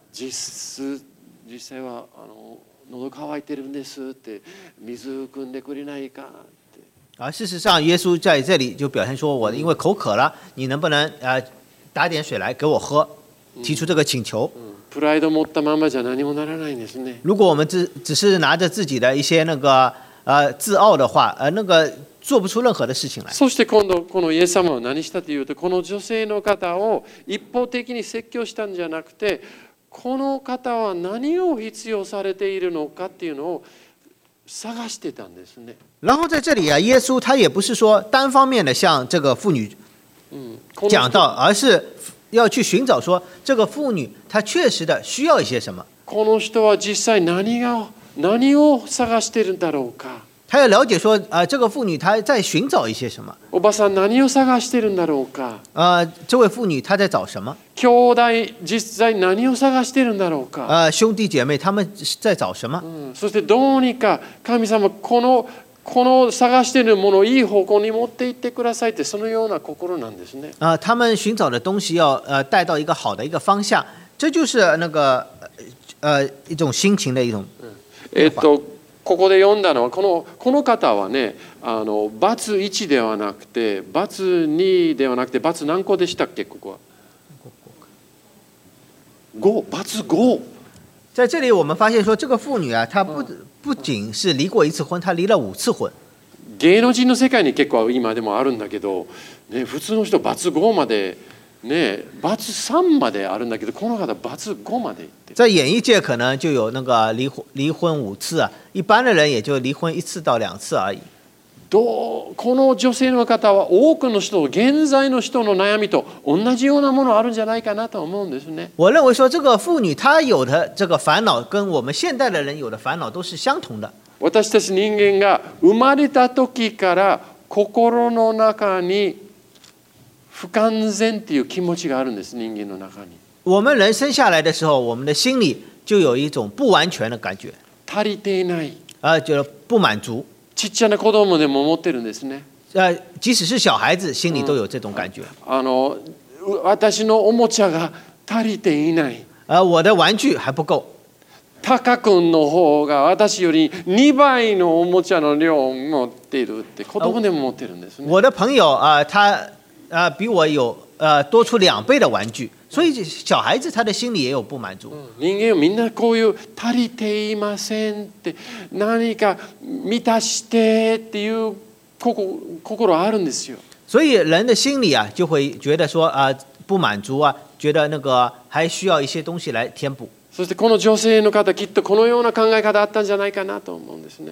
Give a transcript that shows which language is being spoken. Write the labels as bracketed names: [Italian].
[Japanese] 実際はあの喉乾いてるんですって水汲んでくれないかって [Chinese] 而事实上耶稣在这里就表现说我因为口渴了、嗯、你能不能、打点水来给我喝提出这个请求、嗯 [Japanese] 嗯、プライド持ったままじゃ何もならないんですね [Chinese] 如果我们 只是拿着自己的一些那个、自傲的话、那个做不出任何的事情来 [Japanese] そして今度このイエス様は何したというとこの女性の方を一方的に説教したんじゃなくてこの方は何を必要されているのかっていうのを探してたんですね [Chinese] 然后在这里、啊、耶稣他也不是说单方面的向这个妇女讲道、嗯、而是要去寻找说这个妇女她确实的需要一些什么 [Japanese] この人は実際何を探しているんだろうか [Chinese] 他要了解说、这个妇女她在寻找一些什么 [Japanese] おばさん何を探しているんだろうか、 [Chinese] 这位妇女她在找什么 [Japanese] 兄弟実際何を探しているんだろうか、 [Chinese] 兄弟姐妹他们在找什么、 [Japanese] 嗯、そしてどうにか神様この探しているものをいい方向に持って行ってくださいってそのような心なんですね、 [Chinese] 他们寻找的东西要、带到一个好的一个方向这就是那个、一种心情的一种、 [Japanese] 嗯ここで読んだのはこの方はねあの×1 ではなくて×2 ではなくて×何個でしたっけここは5×5 [Chinese] 在这里我们发现说这个妇女啊她 不仅是离过一次婚她离了五次婚 [Japanese] 芸能人の世界に結構今でもあるんだけど、ね、普通の人 ×5 まで、ね、×3 まであるんだけどこの方 ×5 まで行って [Chinese] 在演艺界可能就有那个 离婚五次啊一般的人也就离婚一次到两次而已 [Japanese] どうこの女性の方は多くの人現在の人の悩みと同じようなものあるんじゃないかなと思うんですね [Chinese] 我认为说这个妇女她有的这个烦恼跟我们现代的人有的烦恼都是相同的 [Japanese] 私たち人間が生まれた時から心の中に不完全っていう気持ちがあるんです人間の中に [Chinese] 我们人生下来的时候我们的心里就有一种不完全的感觉 [Japanese] 足りていない。 [Chinese] 就不满足。 [Japanese] ちっちゃな子供でも持ってるんですね。 [Chinese] 即使是小孩子心里都有这种感觉。 [Japanese] 私のおもちゃが足りていない。 [Chinese] 我的玩具还不够。 [Japanese] タカ君の方が私より2倍のおもちゃの量を持ってるって子供でも持ってるんですね。 [Chinese] 我的朋友、他、比我有、多出两倍的玩具。所以小孩子他的心里也有不满足。 [Japanese] 人間みんなこういう足りていませんって何か満たしてっていう心あるんですよ。 [Chinese] 所以人的心里啊就会觉得说、不满足啊觉得那个还需要一些东西来填补。 [Japanese] そしてこの女性の方きっとこのような考え方あったんじゃないかなと思うんですね。